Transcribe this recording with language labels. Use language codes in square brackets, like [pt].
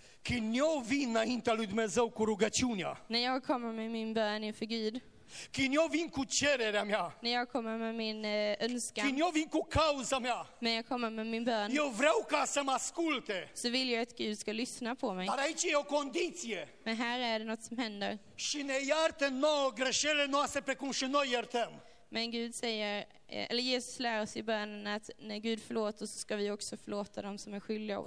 [ro] Când eu vin înaintea lui Dumnezeu cu rugăciunea. [sv] När jag kommer med min bön inför Gud. [ro] Când eu vin cu cererea mea. [sv] När jag kommer med min önskan. [ro] Când eu vin cu cauza mea. [sv] När jag kommer med min bön. [ro] Eu vreau ca să mă asculte. [sv] Så vill jag att Gud ska lyssna på mig. [ro] Dar aici e o condiție. [sv] Men här är det något som händer. [ro] Și ne iartă nouă greșelile noastre precum și noi iertăm. [sv] Men Gud säger, eller Jesus lär oss i bönen att när Gud förlåter så ska vi också förlåta dem som är skyldiga oss.